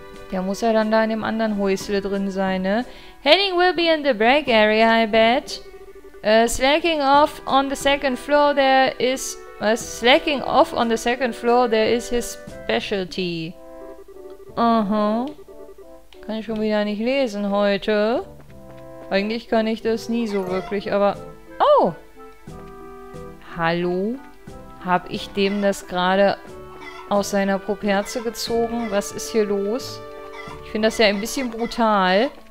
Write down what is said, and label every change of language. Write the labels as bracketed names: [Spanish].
[German] Der muss ja dann da in dem anderen Häusle drin sein, ne? [English] Henning will be in the break area, I bet. Slacking off on the second floor, there is... slacking off on the second floor, there is his specialty. [German] Kann ich schon wieder nicht lesen heute. Eigentlich kann ich das nie so wirklich, aber... Oh! Hallo? Hab ich dem das gerade aus seiner Properze gezogen? Was ist hier los? Ich finde das ja ein bisschen brutal.